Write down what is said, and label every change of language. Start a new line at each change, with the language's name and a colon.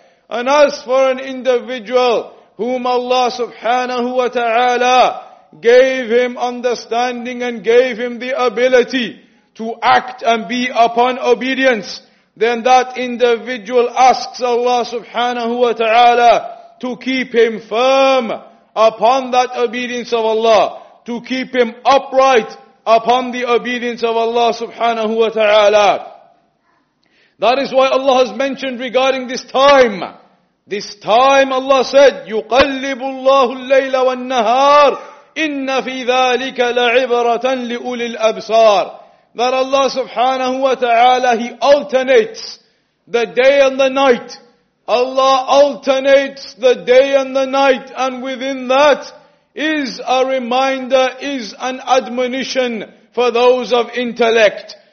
English: And as for an individual whom Allah subhanahu wa ta'ala gave him understanding and gave him the ability to act and be upon obedience, then that individual asks Allah subhanahu wa ta'ala to keep him firm upon that obedience of Allah, to keep him upright upon the obedience of Allah subhanahu wa ta'ala. That is why Allah has mentioned regarding this time.
Arabic: This time Allah said, يُقَلِّبُ اللَّهُ اللَّيْلَ وَالنَّهَارِ إِنَّ فِي ذَٰلِكَ لَعِبَرَةً لِأُولِي الْأَبْصَارِ.
English: That Allah subhanahu wa ta'ala, He alternates the day and the night. Allah alternates the day and the night, and within that is a reminder, is an admonition for those of intellect.